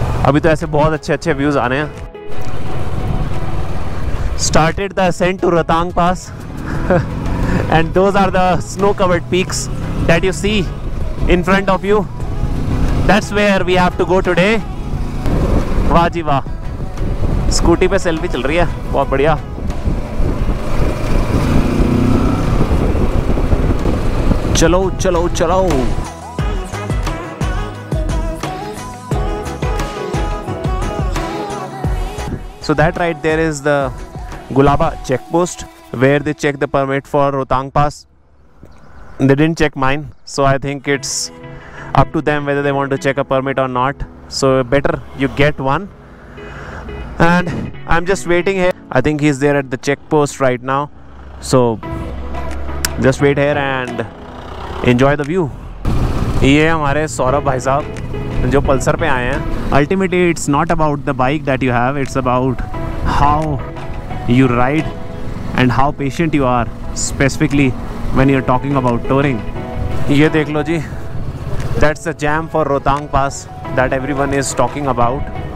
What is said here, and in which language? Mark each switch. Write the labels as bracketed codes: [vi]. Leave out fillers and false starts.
[hi] Abhi to aise bahut acche acche views aane hain. [en] Started the ascent to Rohtang Pass. And those are the snow-covered peaks that you see in front of you. That's where we have to go today. [hi] वाह जी वाह, scooty पे selfie चल रही है, बहुत बढ़िया। चलो चलो चलो। [en] So that right there is the Gulaba check post where they check the permit for Rohtang pass. They didn't check mine, so I think it's up to them whether they want to check a permit or not. So better you get one. And I'm just waiting here. I think he's there at the check post right now. So just wait here and enjoy the view. [hi] ये हमारे सौरभ भाई साहब जो Pulsar पे आए हैं। [en] Ultimately, it's not about the bike that you have. It's about how you ride and how patient you are, specifically when you're talking about touring. [hi] ये देख लो जी, [en] that's the jam for Rohtang Pass that everyone is talking about.